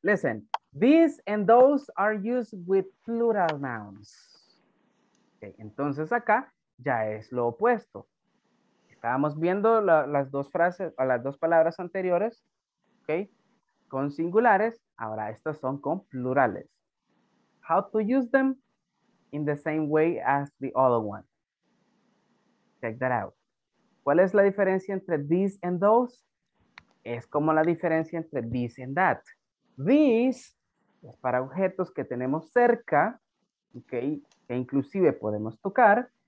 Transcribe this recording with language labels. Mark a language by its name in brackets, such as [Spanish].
[English] Listen, these and those are used with plural nouns. [Spanish] Okay, entonces acá ya es lo opuesto. Estábamos viendo las dos frases, o las dos palabras anteriores, okay, con singulares. Ahora estas son con plurales. [English] How to use them in the same way as the other one. Check that out. ¿Cuál es la diferencia entre this and those? [Spanish] Es como la diferencia entre this and that. This es para objetos que tenemos cerca, okay, que inclusive podemos tocar.